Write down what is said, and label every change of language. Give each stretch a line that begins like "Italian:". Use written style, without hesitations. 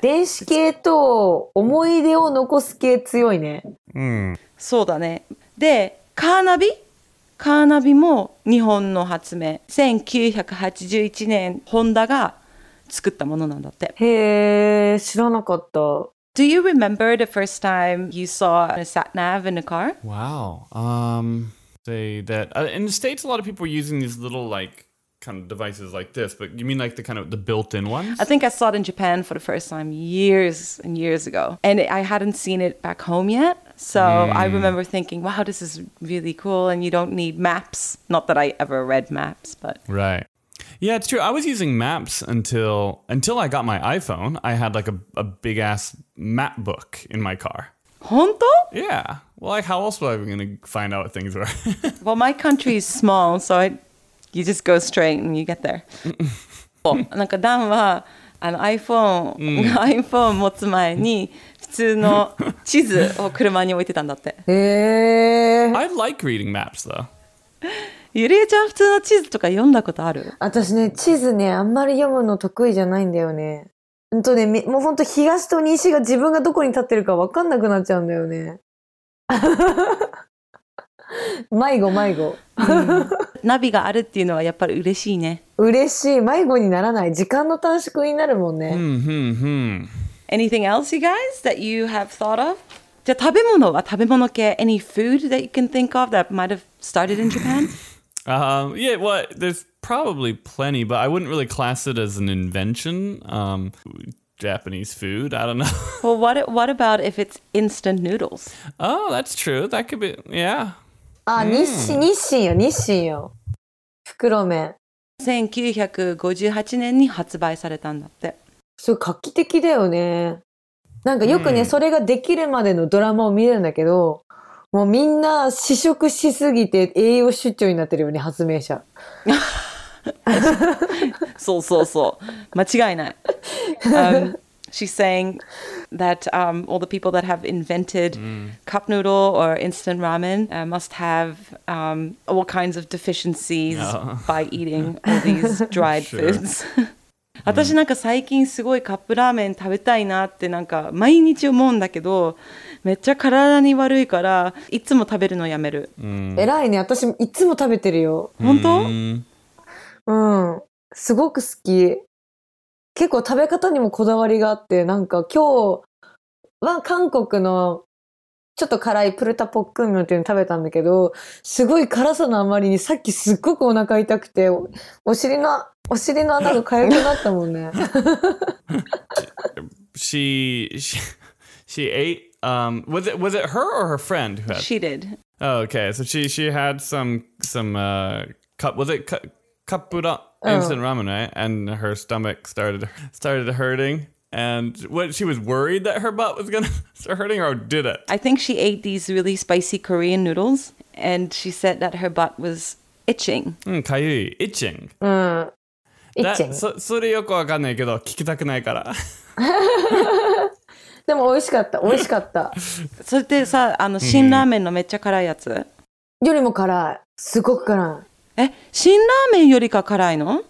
Japanese: 電子系と思い出を残す系強いね。うん。そうだね。で、カーナビも日本の発明。 1981年、ホンダが作ったものなんだって。へぇ、知らなかった。
English: Do you remember the first time you saw a sat nav in a car? Wow. In the States, a lot of people are using these little, like, kind of devices like this, but you mean like the kind of the built-in ones? I think I saw it in Japan for the first time years and years ago, and I hadn't seen it back home yet. So I remember thinking, wow, this is really cool, and you don't need maps. Not that I ever read maps, but... Right. Yeah, it's true. I was using maps until I got my iPhone. I had like a big ass map book in my car.
Japanese: 本当?
English: Yeah. Well, like, how else was I going to find out what things were? Well, my country is small, so you just go straight and you get there.
Japanese: なんかダンはあの iPhone 持つ前に普通の地図を車に置いてたんだって。
English: I like reading maps, though.
Japanese: ゆりえちゃん普通の地図とか読んだことある？私ね、地図ね、あんまり読むの得意じゃないんだよね。んとね、もうほんと東と西が自分がどこに立ってるか分かんなくなっちゃうんだよね。迷子迷子、うん、ナビがあるっていうのはやっぱり嬉しいね。嬉しい。迷子にならない。時間の短縮になるもんね。うんうんうん。
English: Anything else, you guys, that you have thought of?
Japanese: じゃあ食べ物は食べ物系。
English: Any food that you can think of that might have started in Japan? Yeah, well, there's probably plenty, but I wouldn't really class it as an invention. Japanese food, I don't know. Well, what about if it's instant noodles? Oh, that's true. That could be, yeah.
Japanese: Ah, Nissin. 袋麺。 1958年に発売されたんだって。すごい画期的だよね。なんかよくね、それができるまでのドラマを見るんだけど、もうみんな試食しすぎて栄養失調になってるよね、発明者。そうそうそう。間違いない。
English: She's saying that all the people that have invented cup noodle or instant ramen must have all kinds of deficiencies by eating all these dried foods.
Japanese: 私なんか最近すごいカップラーメン食べたいなってなんか毎日思うんだけど、めっちゃ体に悪いからいつも食べるのやめる。えらいね。私いつも食べてるよ。本当？うん。すごく好き。結構食べ方にもこだわりがあって、なんか今日は韓国のちょっと辛いプルタポックンミョンっていうの食べたんだけど、すごい辛さのあまりにさっきすっごくお腹痛くて、お尻の穴が痒くなったもんね。
English: she ate was it her or her friend who had? She did. Oh, okay, so she had some cup, was it cup ramen? Instant ramen, right? And her stomach started hurting. And what, she was worried that her butt was going to start hurting, or did it? I think she ate these really spicy Korean noodles, and she said that her butt was itching. Kayui, itching. Itching.
Japanese: それよくわかんないけど、聞きたくないから。でも美味しかった、美味しかった。それってさ、あの、辛ラーメンのめっちゃ辛いやつ？よりも辛い。すごく辛い。え、辛ラーメンよりか辛いの？